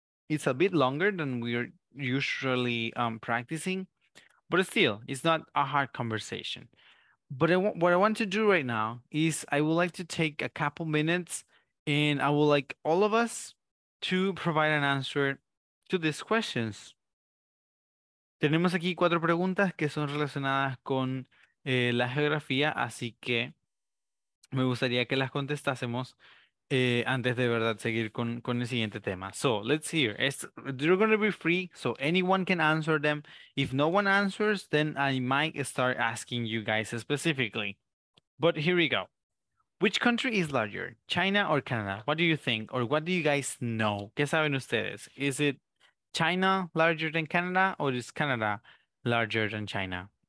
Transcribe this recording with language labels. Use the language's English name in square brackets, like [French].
[English] It's a bit longer than we're usually practicing. But still, it's not a hard conversation. But what I want to do right now is I would like to take a couple minutes, and I would like all of us to provide an answer to these questions. [Spanish] Tenemos aquí cuatro preguntas que son relacionadas con la geografía, así que me gustaría que las contestásemos antes de verdad seguir con el siguiente tema. [English] So, let's hear. They're going to be free, so anyone can answer them. If no one answers, then I might start asking you guys specifically. But here we go. Which country is larger, China or Canada? What do you think? Or what do you guys know? [Spanish] ¿Qué saben ustedes? [English] Is it China larger than Canada, or is Canada larger than China?